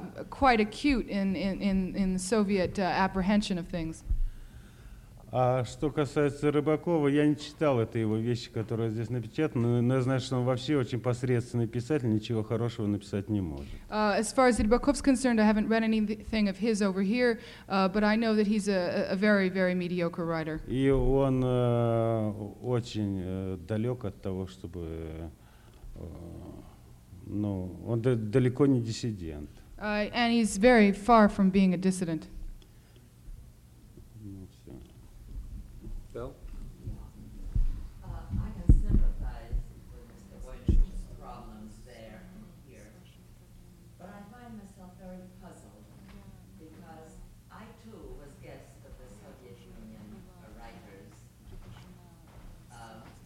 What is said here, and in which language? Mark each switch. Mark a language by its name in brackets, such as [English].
[English] Quite acute in the Soviet apprehension of things. [Russian] А что касается Рыбакова, я не читал это его вещи, которые здесь напечатаны, но я знаю, что он вообще очень посредственный писатель, ничего хорошего написать не может. [English] As far as Rybakov's concerned, I haven't read anything of his over here, but I know that he's a very, very mediocre writer. [Russian] И он очень далек от того, чтобы ну, он далеко не диссидент. [English] And he's very far from being a dissident. [Russian] Ну, все. [English] Bill? I can sympathize with Mr. Voinovich's problems there and here. But I find myself very puzzled because I too was guest of the Soviet Union writers